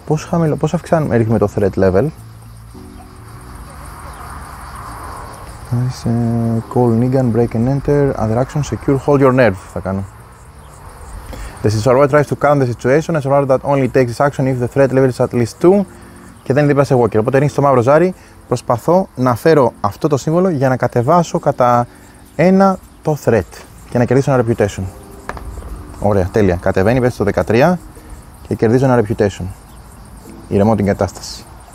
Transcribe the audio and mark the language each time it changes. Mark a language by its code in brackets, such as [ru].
[el] Πώς χαμηλό, πώς αυξάνουμε, ρίχνουμε το threat level. [en] Call Negan, break and enter, other action, secure, hold your nerve, [el] θα κάνω. [en] The survivor tries to calm the situation, a survivor that only takes action if the threat level is at least 2 [el] και δεν δίπλα σε walker, οπότε ρίχνεις το μαύρο ζάρι. Προσπαθώ να φέρω αυτό το σύμβολο για να κατεβάσω κατά ένα το threat και να κερδίσω ένα reputation. Ωραία, τέλεια. Κατεβαίνει, πέσει στο 13 και κερδίζω ένα reputation. Ηρεμώ την κατάσταση.